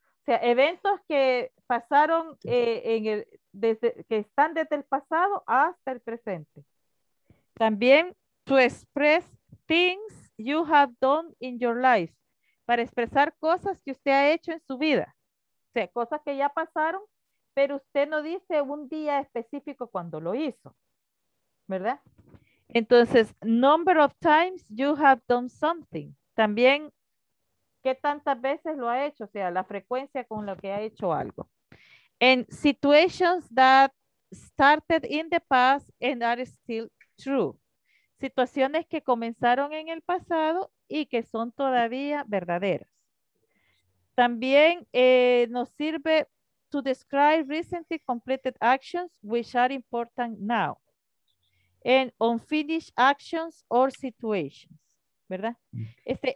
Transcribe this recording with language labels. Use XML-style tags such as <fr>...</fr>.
<es>O sea, eventos que pasaron que están desde el pasado hasta el presente. También</es> <en>to express things you have done in your life.</en> <es>Para expresar cosas que usted ha hecho en su vida. O sea, cosas que ya pasaron, pero usted no dice un día específico cuando lo hizo. ¿Verdad? Entonces,</es> <en>number of times you have done something.</en> <es>También, ¿qué tantas veces lo ha hecho? O sea, la frecuencia con la que ha hecho algo.</es> <en>And situations that started in the past and are still true.</en> <es>Situaciones que comenzaron en el pasado y que son todavía verdaderas. También nos sirve</es> <en>to describe recently completed actions which are important now.</en> <es>En</es> <en>unfinished actions or situations,</en> <es>¿verdad?</es> <en>Okay.</en>